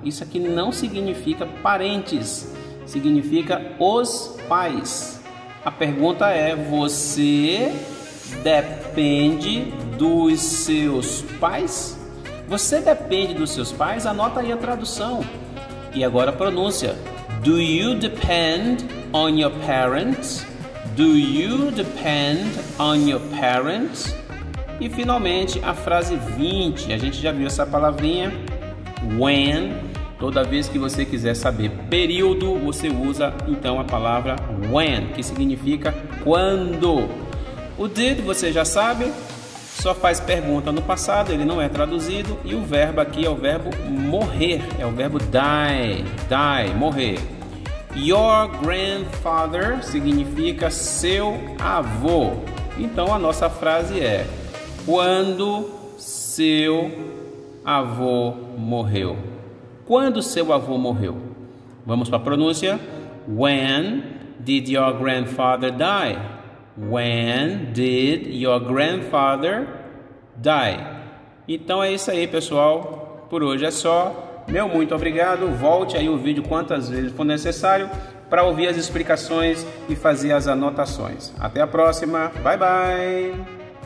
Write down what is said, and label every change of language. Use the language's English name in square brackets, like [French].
[Portuguese] Isso aqui não significa parentes. Significa os pais. A pergunta é, você depende dos seus pais? Você depende dos seus pais? Anota aí a tradução. E agora a pronúncia. [English] Do you depend on your parents? Do you depend on your parents? [Portuguese] E finalmente a frase 20. A gente já viu essa palavrinha. When. Toda vez que você quiser saber período, você usa então a palavra when, que significa quando. O did, você já sabe, só faz pergunta no passado, ele não é traduzido. E o verbo aqui é o verbo morrer, é o verbo die, die, morrer. Your grandfather significa seu avô. Então a nossa frase é, quando seu avô morreu. Quando seu avô morreu? Vamos para a pronúncia. [English] When did your grandfather die? When did your grandfather die? [Portuguese] Então é isso aí, pessoal. Por hoje é só. Meu muito obrigado. Volte aí o vídeo quantas vezes for necessário para ouvir as explicações e fazer as anotações. Até a próxima. Bye, bye.